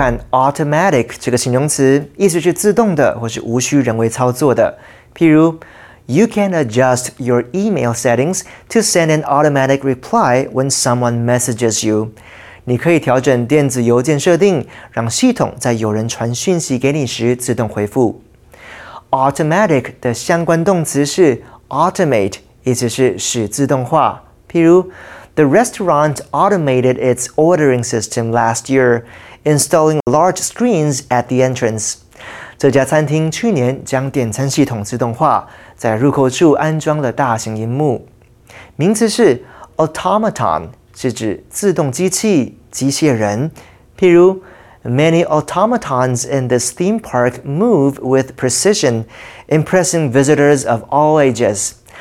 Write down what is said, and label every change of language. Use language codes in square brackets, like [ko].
[zh] Automatic 这个形容词意思是自动的或是无需人为操作的。譬如 [en] ,You can adjust your email settings to send an automatic reply when someone messages you. [zh] 你可以调整电子邮件设定让系统在有人传讯息给你时自动回复。 Automatic 的相关动词是 automate, 意思是使自动化。譬如 [en] ,The restaurant automated its ordering system last year,installing large screens at the entrance. [zh] 这家餐厅去年将点餐系统自动化，在入口处安装了大型荧幕。名词是 automaton, 是指自动机器、机械人。譬如 [en] ,Many automatons in this theme park move with precision, impressing visitors of all ages.